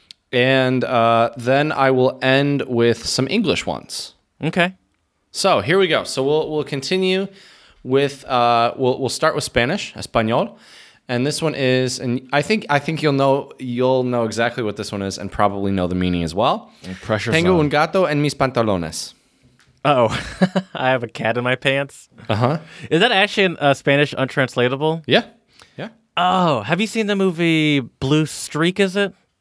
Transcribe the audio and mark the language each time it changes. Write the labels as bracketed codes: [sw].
[en] Then I will end with some English ones. Okay. So here we go. So we'll continue with we'll start with Spanish, Español, and this one is, and I think you'll know exactly what this one is, and probably know the meaning as well. Pressure. [es] Tengo un gato en mis pantalones. [en] Oh, I have a cat in my pants. Uh-huh. Is that actually in Spanish untranslatable? Yeah. Yeah. Oh, have you seen the movie Blue Streak, is it?